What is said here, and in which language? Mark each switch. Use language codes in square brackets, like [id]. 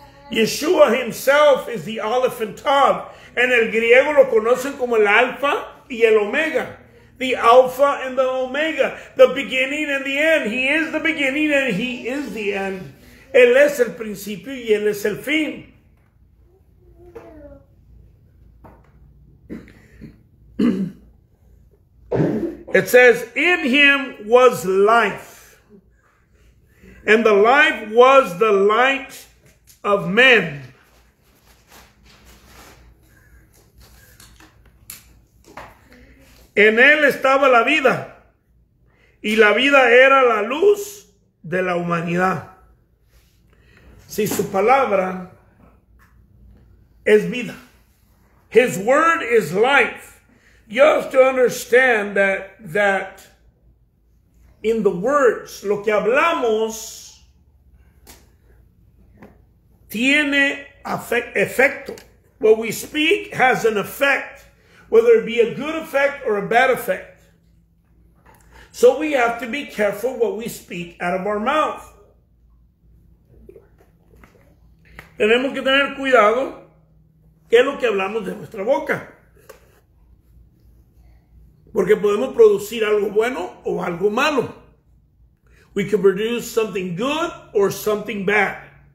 [en] Yeshua himself is the Aleph and Tav. [es] En el griego lo conocen como el Alfa y el Omega. [en] The Alpha and the Omega. The beginning and the end. He is the beginning and he is the end. [es] Él es el principio y él es el fin. [en] It says, in him was life, and the life was the light of men. [es] En él estaba la vida, y la vida era la luz de la humanidad. Si su palabra es vida, [en] his word is life. You have to understand that in the words, [es] lo que hablamos tiene efecto. [en] What we speak has an effect, whether it be a good effect or a bad effect. So we have to be careful what we speak out of our mouth. [es] Tenemos que tener cuidado que lo que hablamos de nuestra boca. Porque podemos producir algo bueno o algo malo. [en] We can produce something good or something bad.